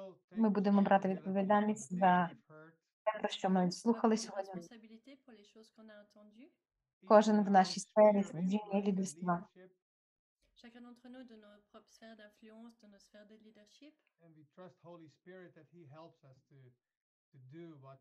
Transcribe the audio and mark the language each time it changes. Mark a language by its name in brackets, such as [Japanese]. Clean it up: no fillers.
[Ukrainian] Ми будемо брати відповідальність за те, що ми слухали сьогодні. [French] Pour les choses qu'on a entendu. [Ukrainian] Кожен в нашій сфері зміни лідерства. [French] Chacun d'entre nous de nos propres sphères d'influence, de nos sphères de leadership. [English] And we trust Holy Spirit that he helps us to do what.